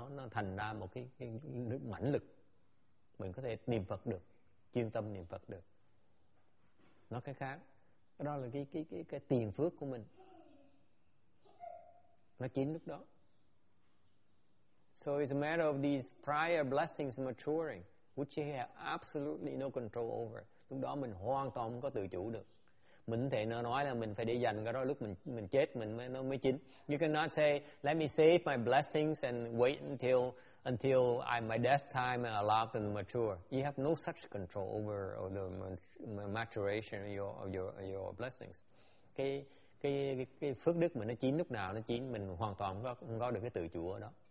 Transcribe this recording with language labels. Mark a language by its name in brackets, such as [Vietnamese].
[Vietnamese] Thành ra một cái mãnh lực. Mình có thể niệm Phật được, chuyên tâm niệm Phật được. Nói cái khác, đó là cái tiền phước của mình. Nó chín lúc đó. [English] So it's a matter of these prior blessings maturing, which you have absolutely no control over. [Vietnamese] Lúc đó mình hoàn toàn không có tự chủ được. Mình có thể nói là mình phải để dành cái đó lúc mình chết, nó mới chín. [English] You cannot say, let me save my blessings and wait until my death time and allow them to mature. You have no such control over the maturation of your blessings. [Vietnamese] Cái phước đức mà nó chín lúc nào nó chín, mình hoàn toàn không có được cái tự chủ ở đó.